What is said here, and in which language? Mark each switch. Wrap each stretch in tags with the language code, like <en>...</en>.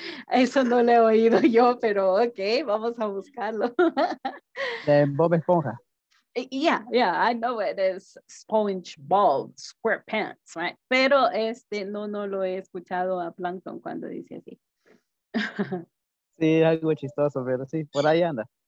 <es>Eso no lo he oído yo, pero ok, vamos a buscarlo. De Bob Esponja.</es> <en>Yeah, yeah, I know it is SpongeBob SquarePants, right?</en> <es>Pero este no lo he escuchado a Plankton cuando dice así. Sí, algo chistoso, pero sí, por ahí anda.</es>